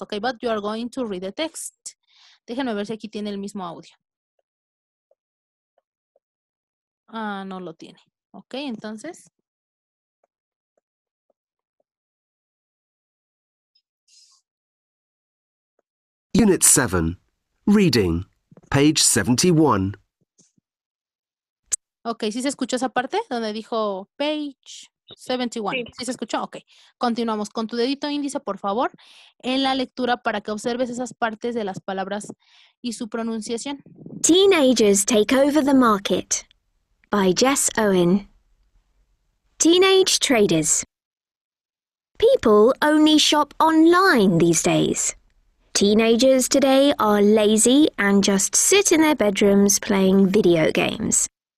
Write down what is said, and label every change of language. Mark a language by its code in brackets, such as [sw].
[en] Okay, but you are going to read the text. [es] Déjenme ver si aquí tiene el mismo audio. Ah, no lo tiene. Okay, entonces, [en] Unit 7. Reading. Page 71. [es] Okay, ¿sí se escuchó esa parte donde dijo [en] page 71? [es] Sí. ¿Sí se escuchó? Okay. Continuamos con tu dedito índice, por favor, en la lectura para que observes esas partes de las palabras y su pronunciación. [en] Teenagers Take Over the Market by Jess Owen. Teenage traders. People only shop online these days. Teenagers today are lazy and just sit in their bedrooms playing video games.